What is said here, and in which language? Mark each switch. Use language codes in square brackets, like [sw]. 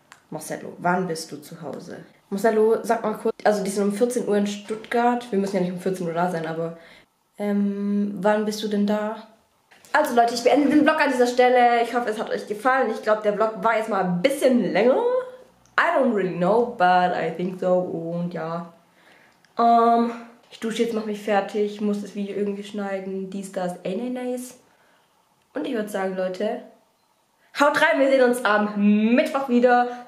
[de] Marcello, wann bist du zu Hause? Marcello, sag mal kurz. Also die sind um 14 Uhr in Stuttgart. Wir müssen ja nicht um 14 Uhr da sein, aber... wann bist du denn da? Also Leute, ich beende den Vlog an dieser Stelle. Ich hoffe, es hat euch gefallen. Ich glaube, der Vlog war jetzt mal ein bisschen länger. [en] I don't really know, but I think so. [de] Und ja. Ich dusche jetzt, mach mich fertig. Muss das Video irgendwie schneiden. Dies, das, ananas. Und ich würde sagen, Leute... Haut rein, wir sehen uns am Mittwoch wieder.